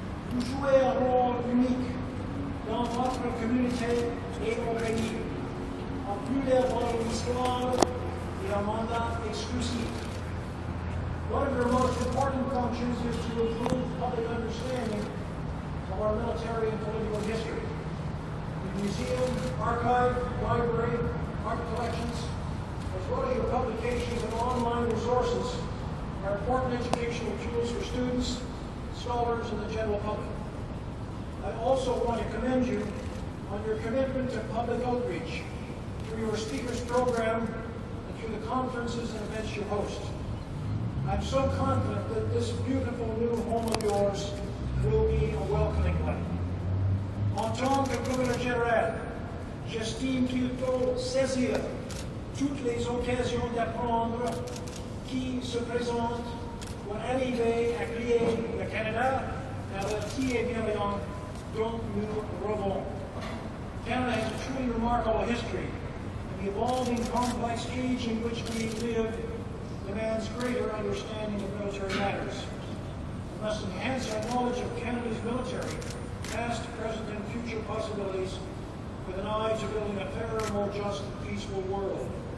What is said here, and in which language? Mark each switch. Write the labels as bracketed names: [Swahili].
[French] Vous jouez un rôle unique dans votre communauté et au pays. En plus de votre histoire et un mandat exclusif. [English] One of your most important functions is to improve public understanding of our military and political history. The museum, archive, library, art collections, as well as your publications and online resources, are important educational tools for students, scholars, and the general public. I also want to commend you on your commitment to public outreach through your speakers program and through the conferences and events you host. I'm so confident that this beautiful new home of yours will be a welcoming one. [French] En tant que gouverneur général, j'estime qu'il faut saisir toutes les occasions d'apprendre qui se présentent pour arriver à créer le Canada qui est bienveillant dont nous revons. [English] Canada has a truly remarkable history. The evolving complex age in which we live demands greater understanding of military matters. We must enhance our knowledge of Canada's military, past, present, and future possibilities, with an eye to building a fairer, more just, and peaceful world.